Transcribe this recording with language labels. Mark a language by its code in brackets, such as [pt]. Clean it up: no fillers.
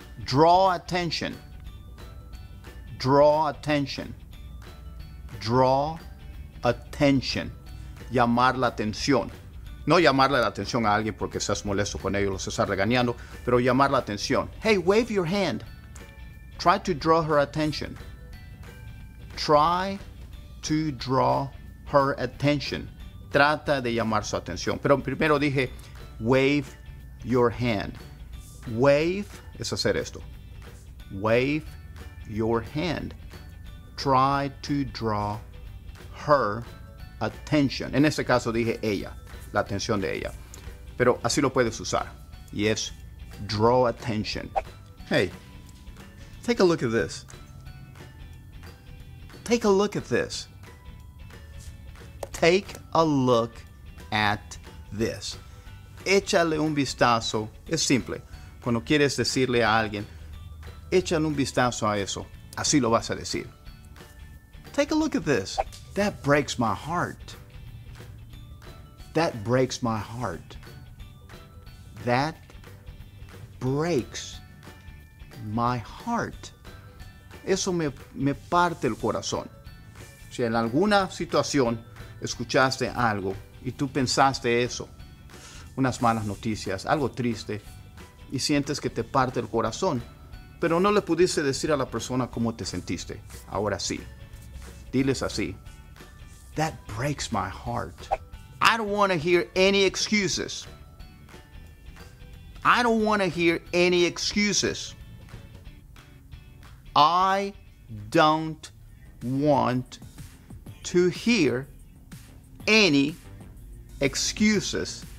[en] Draw attention. Draw attention. Draw attention. [es] Llamar la atención. No llamarle la atención a alguien porque seas molesto con ellos, los estás regañando, pero llamar la atención. [en] Hey, wave your hand. Try to draw her attention. Try to draw her attention. [es] Trata de llamar su atención. Pero primero dije, [en] wave your hand. [es] Wave es hacer esto. Wave [en] your hand. Try to draw her attention. [es] En este caso dije ella, la atención de ella. Pero así lo puedes usar. [en] Yes, draw attention. Hey, take a look at this. Take a look at this. Take a look at this. [es] Échale un vistazo. Es simple. Cuando quieres decirle a alguien, échale un vistazo a eso. Así lo vas a decir. [en] Take a look at this. That breaks my heart. That breaks my heart. That breaks my heart. [es] Eso me parte el corazón. Si en alguna situación escuchaste algo y tú pensaste eso, unas malas noticias, algo triste, y sientes que te parte el corazón, pero no le pudiste decir a la persona cómo te sentiste. Ahora sí, diles así. [en] That breaks my heart. I don't want to hear any excuses. I don't want to hear any excuses. I don't want to hear any excuses.